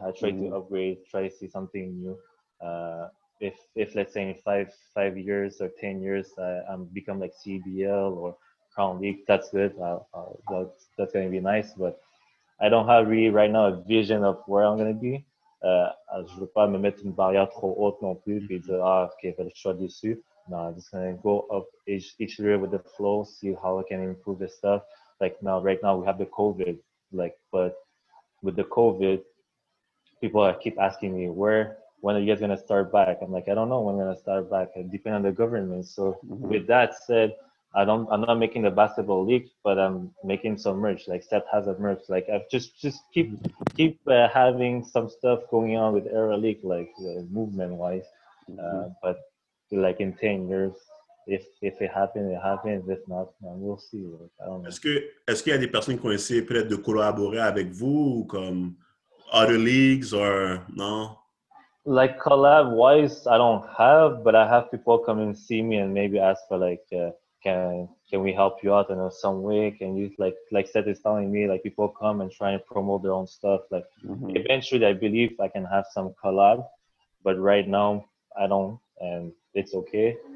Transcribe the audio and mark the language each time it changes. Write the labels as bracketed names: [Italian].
[English] I try to upgrade. Try to see something new. If let's say in five years or 10 years, I'm become like CBL or Crown League. That's good. That's going to be nice. But I don't have really right now a vision of where I'm going to be. [French] Je veux pas me mettre une barrière trop haute non plus, puis dire ah ok, fais le choix dessus. [English] Non, I'm just gonna go up each year with the flow, see how I can improve this stuff. Like now, right now we have the COVID, but with the COVID, people keep asking me when are you guys gonna start back? I'm like, I don't know when I'm gonna start back. It depends on the government. So with that said, I'm not making the basketball league, but I'm making some merch. Like Seth has a merch. Like I've just keep having some stuff going on with Era League, movement wise. But like in 10 years, if it happens, it happens. If not, man, we'll see. Like, I don't know. [French] Est-ce qu'il y a des personnes qui ont essayé peut-être de collaborer avec vous ou comme [English] other leagues or [French] non? [English] Like collab wise, I don't have, but I have people come and see me and maybe ask for can we help you out in some way? Can you like Seth is telling me, like people come and try and promote their own stuff. Like eventually I believe I can have some collab, but right now I don't, and it's okay.